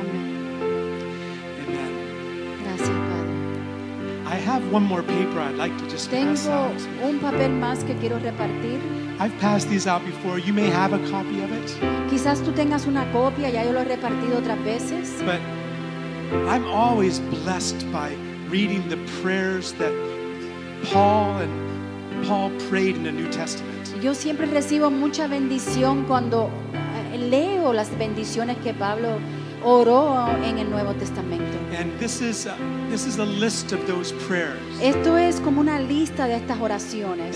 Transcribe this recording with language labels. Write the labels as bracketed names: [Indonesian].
[English] Amen. Amen. [Spanish] Gracias, Padre. [English] I have one more paper I'd like to just [Spanish] tengo [English] pass out. [Spanish] Tengo un papel más que quiero repartir. [English] I've passed these out before. You may have a copy of it. [Spanish] Quizás tú tengas una copia, ya yo lo he repartido otras veces. [English] But I'm always blessed by reading the prayers that Paul prayed in the New Testament. [Spanish] Yo siempre recibo mucha bendición cuando leo las bendiciones que Pablo oró en el Nuevo Testamento. [English] And this is a list of those prayers. [Spanish] Esto es como una lista de estas oraciones.